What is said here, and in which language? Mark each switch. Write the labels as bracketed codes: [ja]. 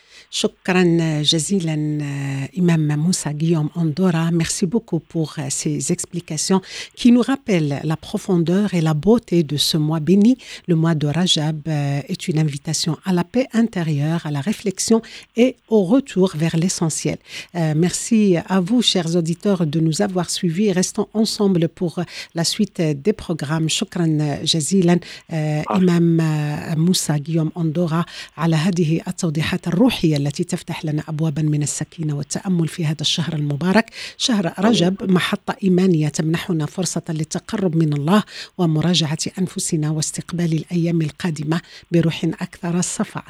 [ar] شكرا جزيلا إمام موسى غيوم أندورا. [fr] Merci beaucoup pour ces explications qui nous rappellent la profondeur et la beauté de ce mois béni. Le mois de Rajab est une invitation à la paix intérieure, à la réflexion et au retour vers l'essentiel. Merci à vous, chers auditeurs, de nous avoir suivis. Restons ensemble pour la suite des programmes. [ar] شكرا جزيلا إمام موسى غيوم أندورا على هذه التوضيحات الروحية التي تفتح لنا أبوابا من السكينة والتأمل في هذا الشهر المبارك. شهر رجب محطة إيمانية تمنحنا فرصة للتقرب من الله ومراجعة أنفسنا واستقبال الأيام القادمة بروح أكثر صفاء.